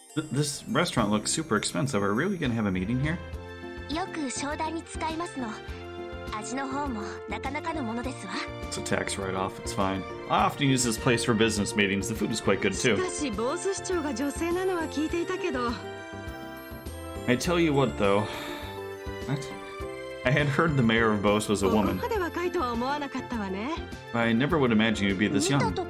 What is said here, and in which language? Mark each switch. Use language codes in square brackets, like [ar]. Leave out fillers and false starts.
[en] This restaurant looks super expensive. Are we really going to have a meeting here? [ja] よく商談に使いますの。味の方もなかなかのものですわ。 [en] It's a tax write-off. It's fine. I often use this place for business meetings. The food is quite good, too. [ja] しかし、ボス市長が女性なのは聞いていたけど。 [en] I tell you what, though. What? I had heard the mayor of Bose was a woman. But I never would imagine you'd be this young.